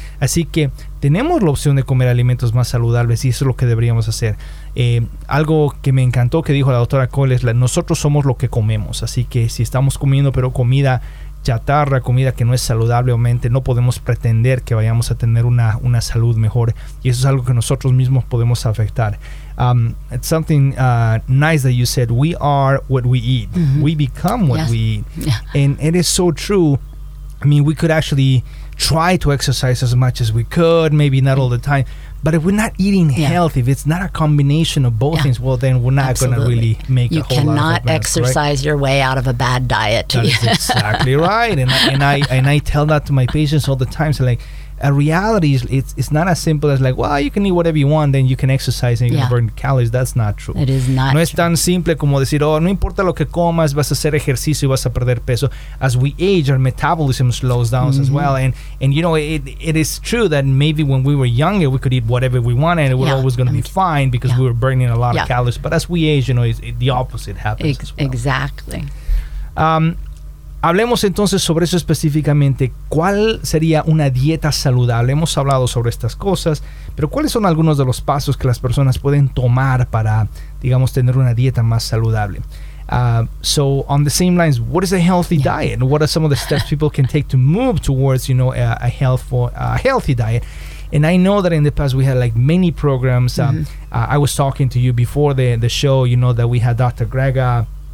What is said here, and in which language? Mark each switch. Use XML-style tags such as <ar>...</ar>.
<es>Así que tenemos la opción de comer alimentos más saludables y eso es lo que deberíamos hacer. Algo que me encantó que dijo la doctora Cole es nosotros somos lo que comemos, así que si estamos comiendo pero comida chatarra, comida que no es saludable, obviamente no podemos pretender que vayamos a tener una salud mejor, y eso es algo que nosotros mismos podemos afectar.</es> <en>It's something nice that you said, we are what we eat. Mm-hmm. We become what we eat. Yeah. And it is so true. I mean, we could actually try to exercise as much as we could, maybe not all the time, but if we're not eating healthy, if it's not a combination of both things, well, then we're not going to really make you a whole lot of advance. You cannot exercise your way out of a bad diet. That's exactly right. And I tell that to my patients all the time. So like, a reality is it's not as simple as like, well, you can eat whatever you want, then you can exercise and you can burn calories. That's not true. It is not.</en> <es>No es tan simple como decir, oh, no importa lo que comas, vas a hacer ejercicio y vas a perder peso.</es> <en>As we age, our metabolism slows down as well. And you know, it is true that maybe when we were younger, we could eat whatever we wanted and we're always going to be fine because we were burning a lot of calories. But as we age, you know, the opposite happens as well. Exactly.</en> <es>Hablemos entonces sobre eso específicamente. ¿Cuál sería una dieta saludable? Hemos hablado sobre estas cosas, pero ¿cuáles son algunos de los pasos que las personas pueden tomar para, digamos, tener una dieta más saludable?</es> <en>So on the same lines, what is a healthy diet? What are some of the steps people can take to move towards, you know, a healthy diet? And I know that in the past we had like many programs. I was talking to you before the show, you know, that we had Dr. Grega.</en>